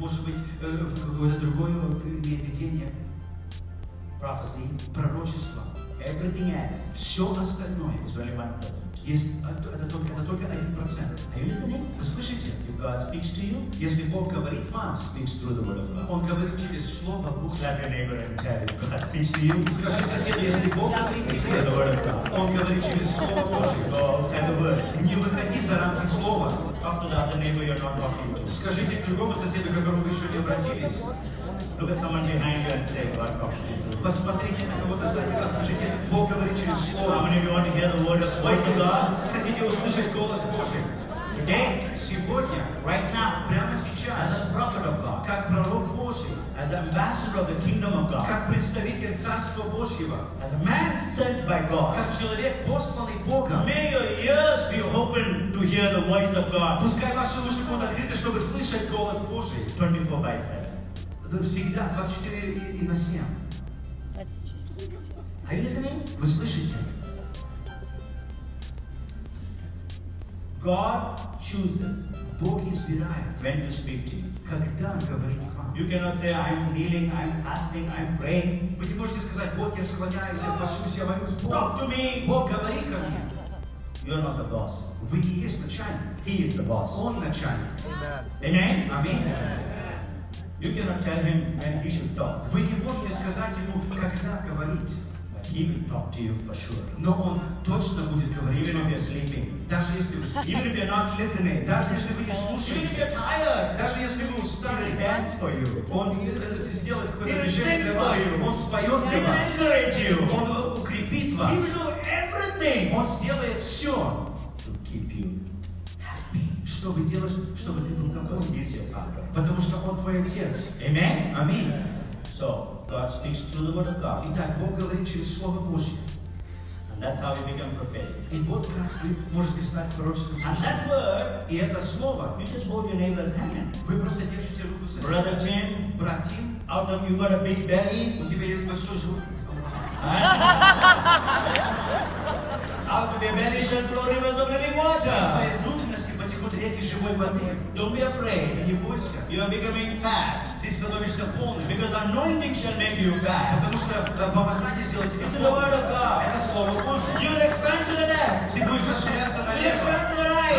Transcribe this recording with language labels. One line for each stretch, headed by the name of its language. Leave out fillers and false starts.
Russian: может быть какое-то другое видение,
English: prophecy,
Russian: пророчество,
English: everything else,
Russian: все остальное,
English: is only 1%.
Russian: Это только 1%.
English: Are you listening?
Russian: Вы слышите?
English: If God speaks to you,
Russian: если Бог говорит вам,
English: speaks through the word of God.
Russian: Он говорит через слово Бога.
English: Slap your neighbor and tell you, God speaks to you.
Russian: Скажи соседу, если Бог говорит
English: через the word of God.
Russian: Он говорит через слово Божье.
English: God said the word.
Russian: Не выходи за рамки слова.
English: Talk to the other neighbor you're not talking to.
Russian: Скажите другому соседу, к которому вы еще не обратились.
English: Look at someone behind you and say, God talks to you.
Russian: Посмотрите на кого-то сзади вас, скажите, Бог говорит через слово.
English: How many of you want to hear the word of voice of God?
Russian: Хотите услышать голос Божий?
English: Today,
Russian: сегодня,
English: right now,
Russian: прямо сейчас,
English: as a prophet of God,
Russian: как пророк Божий,
English: as an ambassador of the kingdom of God,
Russian: как представитель Царства Божьего,
English: as a man sent by God,
Russian: как человек, посланный Богом,
English: may your ears be open to hear the voice of God.
Russian: Пускай ваши уши будут открыты, чтобы слышать голос Божий.
English: 24/7.
Russian: Это всегда 24/7.
English: Are you listening?
Russian: Вы слышите?
English: God chooses.
Russian: Бог избирает.
English: When to speak to you?
Russian: Когда говорить вам?
English: You cannot say I'm kneeling, I'm fasting, I'm praying.
Russian: Вы не можете сказать, вот я склоняюсь, я прошусь, я молюсь. Бог.
English: Talk to me.
Russian: Бог, говори ко мне.
English: You're not the boss.
Russian: Вы не есть начальник.
English: He is the boss.
Russian: Он начальник.
English: Amen. Amen. Amen. You cannot tell him when he should talk.
Russian: Вы не можете сказать ему, когда говорить.
English: He will talk to you for sure.
Russian: Но он точно будет говорить.
English: Even if you're sleeping.
Russian: Даже если вы спите.
English: Even if you're not listening.
Russian: Даже если вы не слушаете.
English: Even if you're tired.
Russian: Даже если вы устали.
English: He will dance for you.
Russian: Он сделает какое-то движение для вас. Он споет для вас.
English: He will encourage you.
Russian: Он укрепит вас.
English: He will do everything.
Russian: Он сделает все.
English: To keep you happy.
Russian: Чтобы делать, чтобы ты был доволен.
English: He's your father.
Russian: Потому что он твой отец.
English: Amen. Amen. So. God speaks through the word of God.
Russian: Итак, Бог говорит через Слово Божье.
English: And that's how we become prophetic.
Russian: И вот как вы можете стать пророчеством
English: Божьим. And that word,
Russian: и это слово,
English: you just hold your neighbor's hand.
Russian: Вы просто держите руку со
English: Brother Tim,
Russian: брат Тим,
English: out of you got a big belly.
Russian: У тебя есть большой живот.
English: Out of your belly shall flow rivers of living water.
Russian: Из твоей внутренности потекут реки живой воды.
English: Don't be afraid.
Russian: Не бойся.
English: You are becoming fat.
Russian: Ты становишься полным.
English: Because anointing shall make you fat.
Russian: Потому что помазание сделает тебя
English: полным. It's the word of God.
Russian: Это слово Божье.
English: You will expand to the left.
Russian: Ты будешь расширяться на
English: левое. You will expand to the right.